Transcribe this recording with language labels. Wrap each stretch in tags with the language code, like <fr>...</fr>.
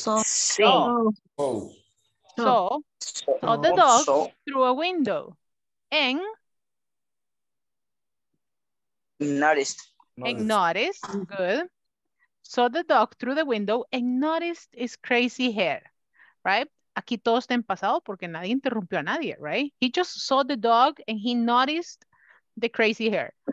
<en>the dog through a window and noticed. Good. Saw the dog through the window and noticed his crazy hair, right?</en> <es>Aquí todo está en pasado porque nadie interrumpió a nadie, right?</es> <en>He just saw the dog and he noticed the crazy hair.</en>